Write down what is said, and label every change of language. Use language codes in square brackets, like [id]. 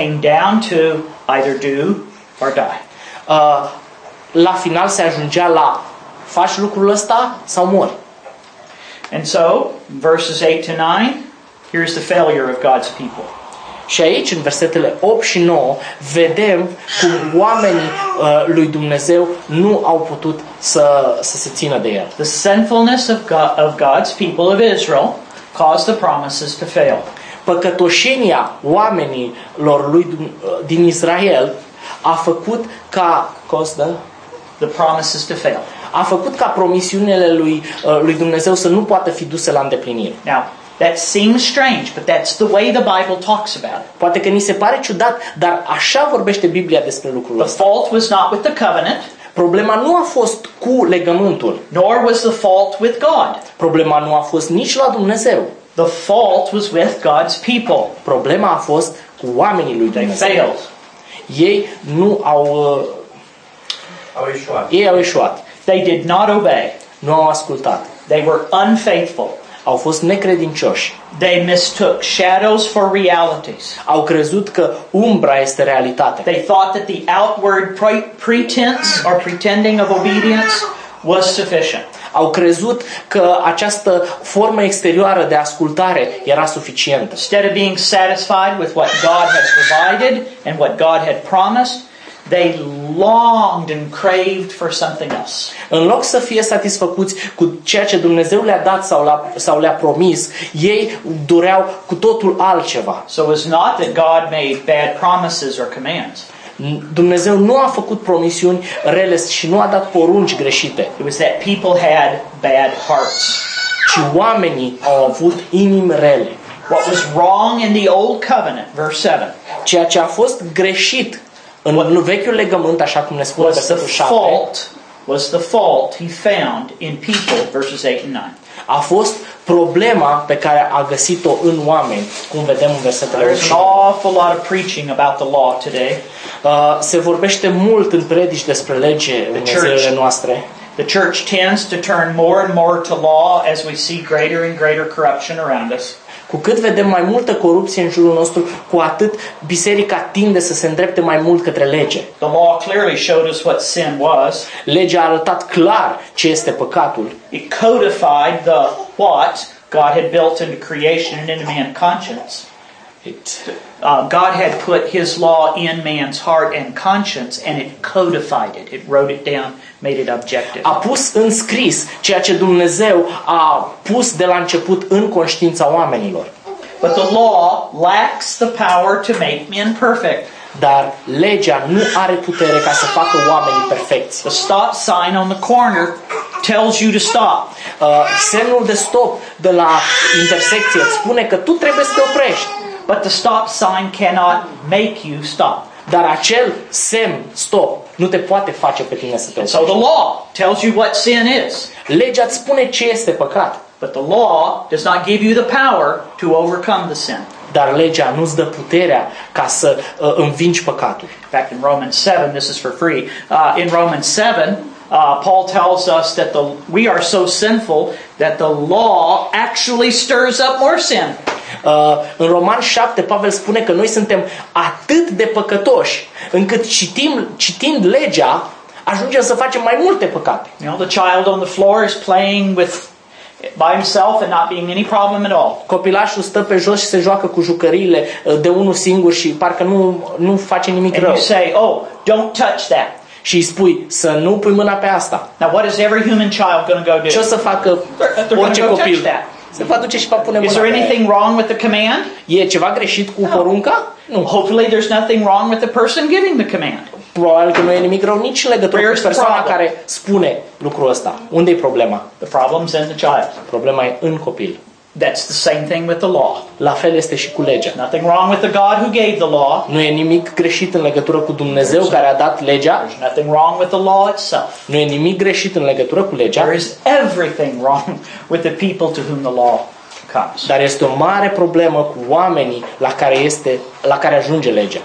[en] It came down to either do or die. [ro] La final se ajungea la faci lucrul ăsta sau mori. [en] And so, verses 8 to 9, here's the failure of God's people. [ro] Și aici, în versetele 8 și 9, vedem cum oamenii lui Dumnezeu nu au putut să se țină de el. [en] The sinfulness of God's people of Israel caused the promises to fail. [ro] Păcătoșenia oamenilor lui din Israel a făcut ca [en] the promises to fail. [ro] A făcut ca promisiunile lui Dumnezeu să nu poată fi duse la îndeplinire. [en] Now, that seems strange, but that's the way the Bible talks about it. [ro] Poate că ni se pare ciudat, dar așa vorbește Biblia despre lucrul ăsta. [en] The fault was not with the covenant. [ro] Problema nu a fost cu legământul. [en] Nor was the fault with God. [ro] Problema nu a fost nici la Dumnezeu. [en] The fault was with God's people. [ro] Problema a fost cu oamenii lui Dumnezeu. [en] They failed. [ro] Ei au eșuat. [en] They did not obey. [ro] Nu au ascultat. [en] They were unfaithful. [ro] Au fost necredincioși. [en] They mistook shadows for realities. [ro] Au crezut că umbra este realitate. [en] They thought that the outward pretense or pretending of obedience was sufficient. [ro] Au crezut că această formă exterioară de ascultare era suficientă. [en] Instead of being satisfied with what God has provided and what God had promised, they longed and craved for something else. [ro] În loc să fie satisfăcuți cu ceea ce Dumnezeu le-a dat sau le-a promis, ei doreau cu totul altceva. [en] So it's not that God made bad promises or commands. [ro] Dumnezeu nu a făcut promisiuni rele și nu a dat porunci greșite. [en] It was that people had bad hearts. [ro] Ci oamenii au avut inimi rele. [en] What was wrong in the old covenant, verse 7. [ro] Ceea ce a fost greșit în vechiul legământ, așa cum ne spune versetul 7, [en] was the fault he found in people, verses 8 and 9. [ro] A fost problema pe care a găsit-o în oameni, cum vedem în versetul 8. [en] There's an awful lot of preaching about the law today. [ro] Se vorbește mult în predici despre lege în zilele noastre. [en] The church tends to turn more and more to law as we see greater and greater corruption around us. [ro] Cu cât vedem mai multă corupție în jurul nostru, cu atât biserica tinde să se îndrepte mai mult către lege. [en] The law clearly showed us what sin was. [ro] Legea a arătat clar ce este păcatul. [en] It codified the what God had built into creation and into man's conscience. God had put his law in man's heart and conscience and it codified it. It wrote it down, made it objective. [ro] A pus în scris ceea ce Dumnezeu a pus de la început în conștiința oamenilor. [en] But the law lacks the power to make men perfect. [ro] Dar legea nu are putere ca să facă oamenii perfecți. [en] The stop sign on the corner tells you to stop. [ro] Semnul de stop de la intersecție spune că tu trebuie să te oprești. [en] But the stop sign cannot make you stop. [ro] Dar acel semn stop nu te poate face pe tine să te oprești. [en] So the law tells you what sin is. [ro] Legea îți spune ce este păcat. [en] But the law does not give you the power to overcome the sin. [ro] Dar legea nu îți dă puterea ca să învingi păcatul. [en] In fact, in Romans 7, this is for free. In Romans 7, Paul tells us that we are so sinful that the law actually stirs up more sin. [ro] În Roman 7, Pavel spune că noi suntem atât de păcătoși încât citind legea ajungem să facem mai multe păcate. [en] You know, the child on the floor is playing with by himself and not being any problem at all. [ro] Copilașul stă pe jos și se joacă cu jucăriile de unul singur și parcă nu face nimic rău. [en] And you say, oh, don't touch that. [ro] Și îi spui să nu pui mâna pe asta. [en] Now what is every human child going to go do? [ro] Ce o să facă orice copil? Se va duce și va pune mâna. [en] Is there anything wrong with the command? [ro] E ceva greșit cu porunca? Nu. [en] Hopefully there's nothing wrong with the person giving the command. [ro] Probabil că nu e nimic rău nici legătură cu persoana care spune lucrul ăsta. Unde e problema? [en] The problem's in the child. [ro] Problema e în copil. [en] That's the same thing with the law. [ro] La fel este și cu legea. [en] Nothing wrong with the God who gave the law. [ro] Nu e nimic greșit în legătură cu Dumnezeu care a dat legea. [en] There's nothing wrong with the law itself. [ro] Nu e nimic greșit în legătură cu legea. [en] There is everything wrong with the people to whom the law comes. [ro] Dar este o mare problemă cu oamenii la care ajunge legea.